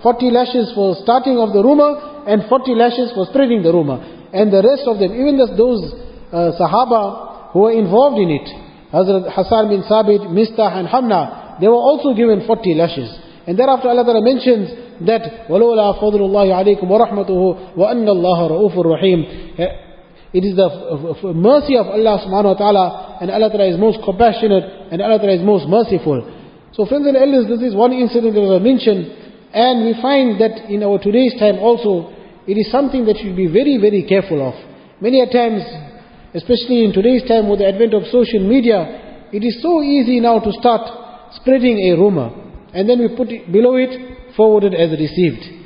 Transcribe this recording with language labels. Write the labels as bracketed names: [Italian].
[English] 40 lashes for starting of the rumor and 40 lashes for spreading the rumor. And the rest of them, even those Sahaba who were involved in it, Hazrat Hassan bin Sabit, Mistah and Hamna, they were also given 40 lashes. And thereafter Allah Ta'ala mentions that, [Arabic] وَلَوْلَا فَضْلُ اللَّهِ عَلَيْكُمْ وَرَحْمَتُهُ وَأَنَّ اللَّهَ رَؤُوفُ الرَّحِيمُ. [English] It is the mercy of Allah subhanahu wa ta'ala, and Allah Ta'ala is most compassionate, and Allah Ta'ala is most merciful. So friends and elders, this is one incident that was mentioned, and we find that in our today's time also, it is something that you should be very, very careful of. Many a times, especially in today's time with the advent of social media, it is so easy now to start spreading a rumor, and then we put it below it, forwarded as received.